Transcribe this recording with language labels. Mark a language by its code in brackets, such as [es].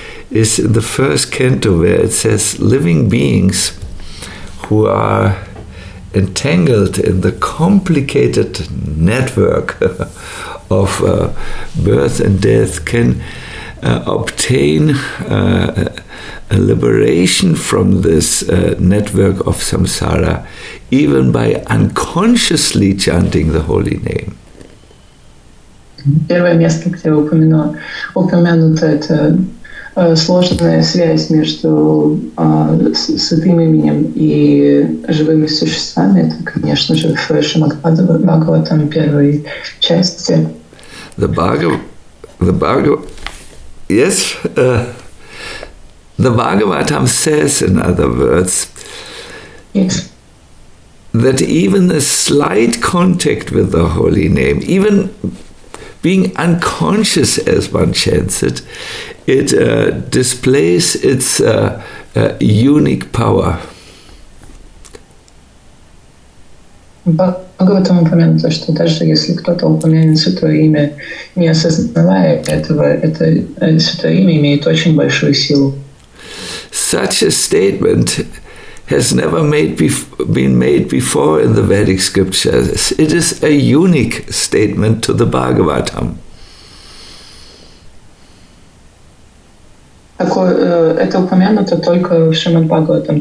[en] is in the first canto where it says living beings who are entangled in the complicated network of birth and death can obtain a liberation from this network of samsara even by unconsciously chanting the holy name. [ru] Первое место, где упомянуто это сложная связь между святым именем и живыми существами, это, конечно же, в Шримад Бхагаватам первой части. [en] The Bhagavatam says, in other words, yes, that even a slight contact with the holy name, even being unconscious as one chants it, it displays its unique power. [ru] Bhagavatam упомянуто, что даже если кто-то упомянет святое имя, не осознавая этого, это святое имя имеет очень большую силу. [en] Such a statement has never been made before in the Vedic scriptures. It is a unique statement to the Bhagavatam. [ru] Это упомянуто только в Шримад Бхагаватам.